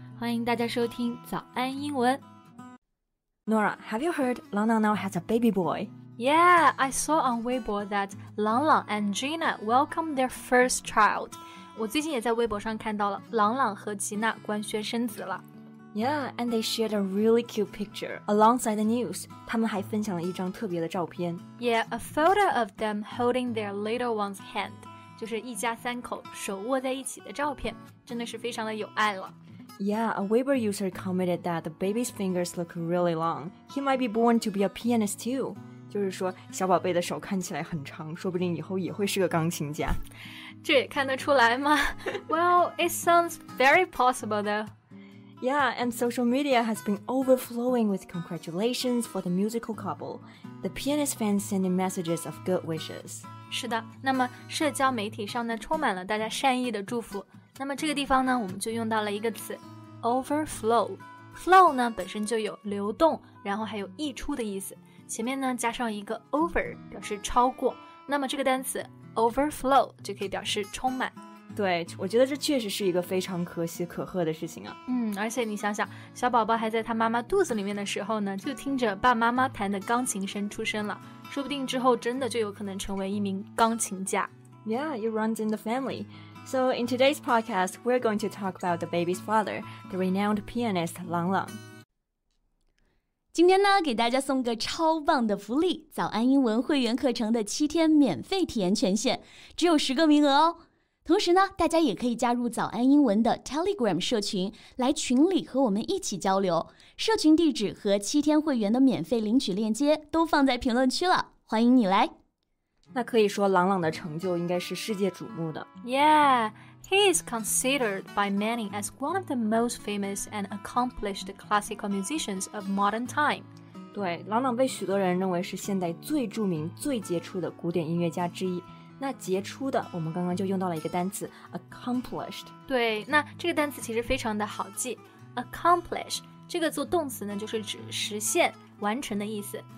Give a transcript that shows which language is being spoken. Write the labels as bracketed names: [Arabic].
[Chinese] 欢迎大家收听早安英文。 [English] Nora, have you heard Lang Lang now has a baby boy? Yeah, I saw on Weibo that Lang Lang and Gina welcomed their first child. [Chinese] 我最近也在微博上看到了朗朗和吉娜官宣生子了。 [English] Yeah, and they shared a really cute picture alongside the news. [Chinese] 他们还分享了一张特别的照片。 [English] Yeah, a photo of them holding their little one's hand. [Chinese] 就是一家三口手握在一起的照片，真的是非常的有爱了。 [English] Yeah, a Weibo user commented that the baby's fingers look really long. He might be born to be a pianist too. [Chinese] 就是说小宝贝的手看起来很长，说不定以后也会是个钢琴家。这也看得出来吗？ [English] Well, it sounds very possible though. Yeah, and social media has been overflowing with congratulations for the musical couple. The pianist fans sending messages of good wishes. [Chinese] 是的，那么社交媒体上呢，充满了大家善意的祝福。那么这个地方呢，我们就用到了一个词 overflow。 Flow 呢，本身就有流动，然后还有溢出的意思。前面呢，加上一个 over， 表示超过。那么这个单词Overflow 就可以表示充满。对，我觉得这确实是一个非常可喜可贺的事情啊。嗯，而且你想想，小宝宝还在他妈妈肚子里面的时候呢，就听着爸妈妈弹的钢琴声出生了，说不定之后真的就有可能成为一名钢琴家。 [English] Yeah, it runs in the family. So in today's podcast, we're going to talk about the baby's father, the renowned pianist Lang Lang. [Chinese] 今天呢，给大家送个超棒的福利，早安英文会员课程的七天免费体验权限，只有十个名额哦。同时呢，大家也可以加入早安英文的 Telegram 社群，来群里和我们一起交流。社群地址和七天会员的免费领取链接都放在评论区了，欢迎你来。那可以说朗朗的成就应该是世界瞩目的。 [English] Yeah, he is considered by many as one of the most famous and accomplished classical musicians of modern time. [Chinese] 对，朗朗被许多人认为是现代最著名、最杰出的古典音乐家之一。那杰出的，我们刚刚就用到了一个单词 accomplished。对，那这个单词其实非常的好记 ，accomplish 这个做动词呢，就是指实现、完成的意思。